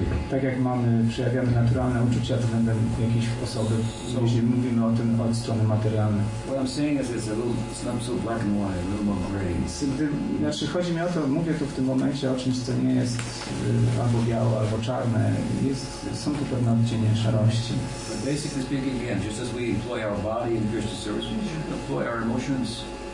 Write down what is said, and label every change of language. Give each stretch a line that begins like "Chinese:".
Polish: Tak jak przejawiamy naturalne uczucia względem jakiejś osoby, jeśli mówimy o tym od strony materialnej.
English: What I'm saying is it's not so black and white, a little more gray.
Polish: Znaczy chodzi mi o to, mówię tu w tym momencie o czymś, co nie jest albo białe, albo czarne. Są tu pewne odcienie szarości.
English: But basically speaking, again, just as we employ our body in Krishna service, we should employ our emotions.